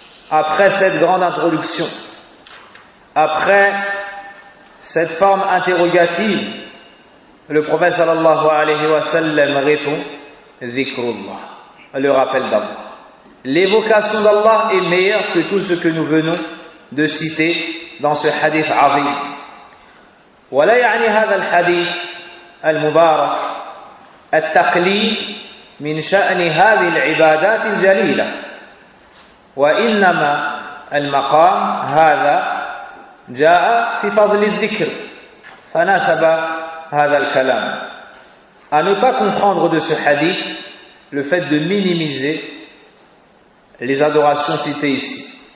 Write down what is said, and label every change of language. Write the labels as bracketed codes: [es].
[fr] Après cette grande introduction, après cette forme interrogative, le prophète sallallahu alayhi wa sallam répond Zikrullah, le rappel d'Allah. L'évocation d'Allah est meilleure que tout ce que nous venons de citer dans ce hadith azim. [ar] ولا يعني هذا الحديث المبارك التقليل من شأن هذه العبادات الجليلة وإنما المقام هذا جاء في فضل الذكر فناسب هذا الكلام. [fr] À ne pas comprendre de ce hadith le fait de minimiser les adorations citées ici.